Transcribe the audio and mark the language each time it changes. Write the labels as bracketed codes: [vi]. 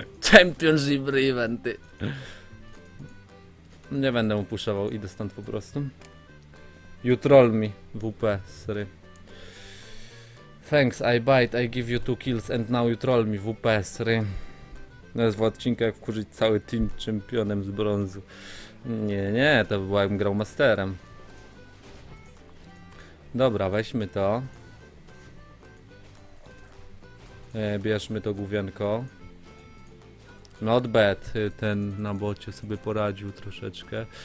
[pl] Championship eventy. Nie będę mu puszował, idę stąd po prostu. [en] You troll me, WP, sorry. Thanks, I bite, I give you two kills and now you troll me, WP, sorry. [pl] Nazwa odcinka, jak wkurzyć cały team championem z brązu. Nie, nie, to by było jakbym grał masterem. Dobra, weźmy to. Bierzmy to gówienko. [en] Not bad, [pl] ten na bocie sobie poradził troszeczkę.